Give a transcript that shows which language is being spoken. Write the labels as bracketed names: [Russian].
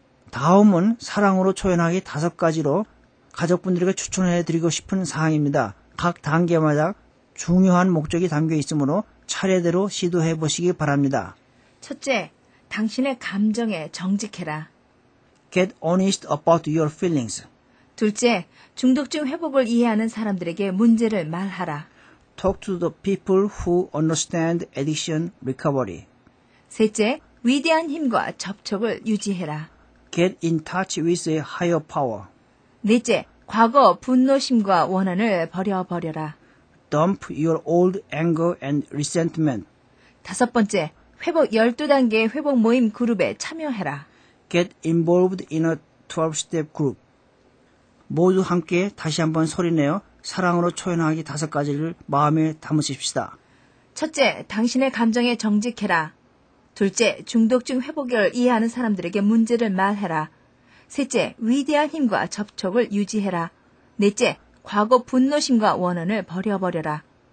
[Korean] 다음은 사랑으로 초연하기 다섯 가지로 가족분들에게 추천해드리고 싶은 사항입니다. 각 단계마다 중요한 목적이 담겨 있으므로 차례대로 시도해보시기 바랍니다. 첫째, 당신의 감정에 정직해라. [English] Get honest about your feelings. [Korean] 둘째, 중독증 회복을 이해하는 사람들에게 문제를 말하라. [English] Talk to the people who understand addiction recovery. [Korean] 셋째, 위대한 힘과 접촉을 유지해라. [English] Get in touch with a higher power. [Korean] 넷째, 과거 분노심과 원한을 버려버려라. [English] Dump your old anger and resentment. [Korean] 다섯 번째, 회복 12단계 회복 모임 그룹에 참여해라. [English] Get involved in a 12-step group. [Korean] 모두 함께 다시 한번 소리내어 사랑으로 초연하기 다섯 가지를 마음에 담으십시다. 첫째, 당신의 감정에 정직해라. 둘째, 중독증 회복을 이해하는 사람들에게 문제를 말해라. 셋째, 위대한 힘과 접촉을 유지해라. 넷째, 과거 분노심과 원한을 버려버려라.